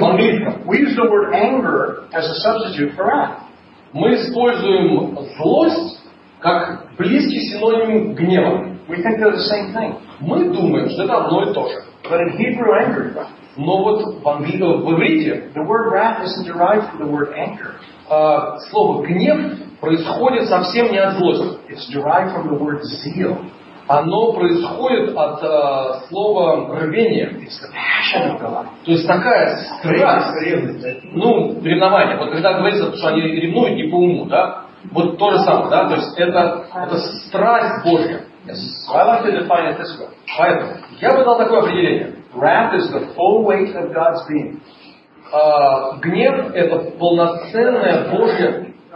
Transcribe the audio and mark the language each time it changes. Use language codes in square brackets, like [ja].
[en] we use the word anger as a substitute for wrath. [ru] Мы используем злость как близкий синоним гнева. [en] We think they're the same thing. [ru] Мы думаем, что это одно и то же. [en] But in Hebrew, anger. [ru] Но вот в иврите [en] the word wrath isn't derived from the word anger. [ru] Слово гнев происходит совсем не от злости. [en] It's derived from the word zeal. [ru] Оно происходит от слова рвение. То есть такая страсть, ну, ревнование. Вот когда говорится, что они ревнуют не по уму, да? Вот то же самое, да? То есть это страсть Божья. [en] I like to define it this way. [ru] Поэтому я бы дал такое определение. [en] Wrath is the full weight of God's being. [ru] Гнев это полноценная Божья